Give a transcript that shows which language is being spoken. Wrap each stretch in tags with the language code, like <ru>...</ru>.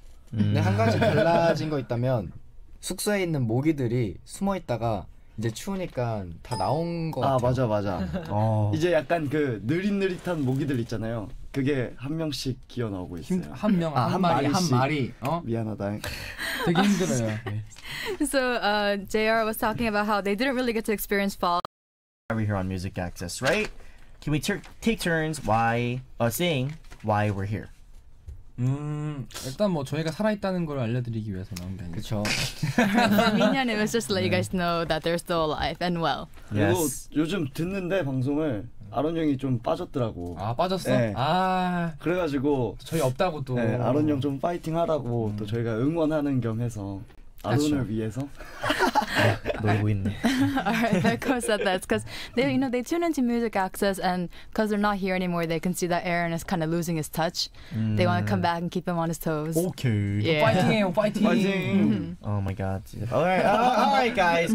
<ko>근데 한 가지 달라진 거 있다면 숙소에 있는 모기들이 숨어 있다가 이제 추우니까 다 나온 거 같아요. 아 맞아 맞아. 이제 약간 그 느릿느릿한 모기들 있잖아요. 그게 한 명씩 기어 나오고 있어요. 한 명, 아, 한 마리, 한 마리. 어? 미안하다. 되게 힘들어요.</ko> <en>So JR was talking about how they didn't really get to experience fall. We're here on Music Access, right? Can we take turns? Why? Saying why we're here.</en> <ko>일단 뭐 저희가 살아있다는 걸 알려드리기 위해서 나온 게 아니죠. 그렇죠.</ko> <en>For me, and it was just to let you guys know that they're still alive and well. Yes.</en> <ko>그리고 요즘 듣는데 방송을 아론 형이 좀 빠졌더라고. 아 빠졌어? 네. 아 그래가지고 저희 없다고 또. 네, 아론 형 좀 파이팅하라고 또 저희가 응원하는 겸해서 아론을 그렇죠. 위해서. 놀고 있네.</ko> <en>Alright, Becco said that because they, you know, they tune into Music Access, and because they're not here anymore, they can see that Aaron is kind of losing his touch. They want to come back and keep him on his toes. Okay. Yeah. Fighting. Mm-hmm. Oh my God. Alright, guys.</en>